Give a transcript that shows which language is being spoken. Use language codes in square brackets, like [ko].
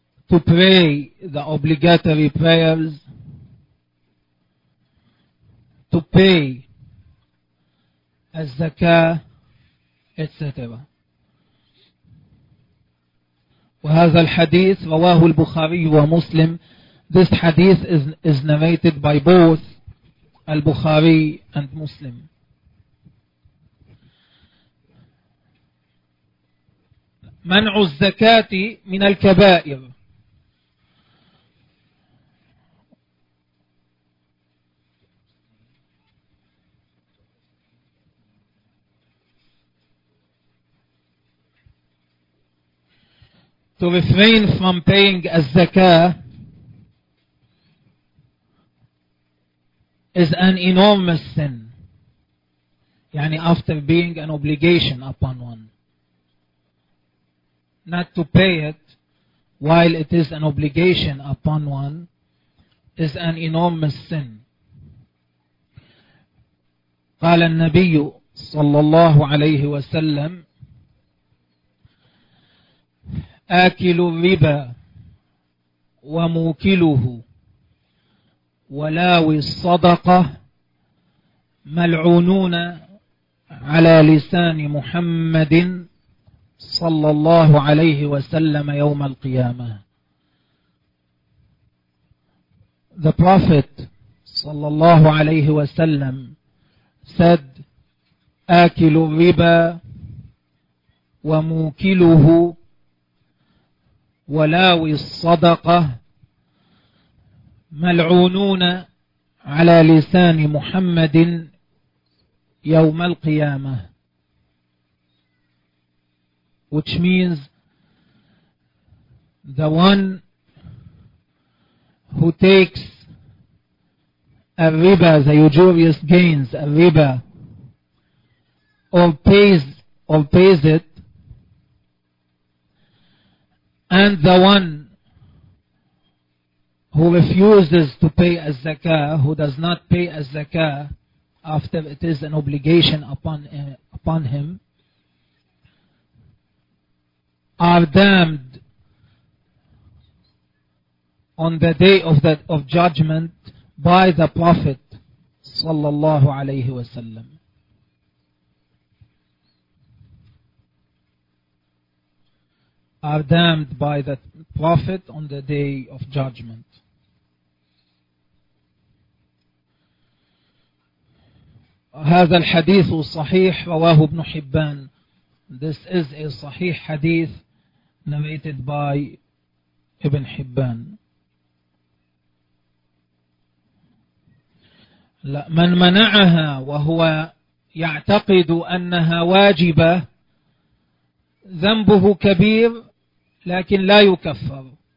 [en] to pray the obligatory prayers, to pay az-zakah, etc. [ar] وهذا الحديث رواه البخاري ومسلم. [en] This hadith is narrated by both Al-Bukhari and Muslim. [ar] منع الزكاة من الكبائر. [en] To refrain from paying az-zakah is an enormous sin. [ar] يعني [en] after being an obligation upon one. Not to pay it while it is an obligation upon one is an enormous sin. [ar] قال النبي صلى الله عليه وسلم آكل الربا وموكله ولاوي الصدقة ملعونون على لسان محمد صلى الله عليه وسلم يوم القيامة. [en] The Prophet [ar] صلى الله عليه وسلم said آكل الربا وموكله ولاوي الصدقة ملعونون على لسان محمد يوم القيامة. [en] Which means the one who takes a riba, the usurious gains, a riba, or pays it, and the one who refuses to pay a zakah, who does not pay a zakah after it is an obligation upon him, are damned on the day of judgment by the Prophet sallallahu alayhi wa sallam. Are damned by the Prophet on the day of judgment. [ar] هذا الحديث صحيح رواه ابن حبان. [en] This is a صحيح حديث narrated by Ibn Hibban. [ar] لا من منعها وهو يعتقد أنها واجبة ذنبه كبير لكن لا يكفر.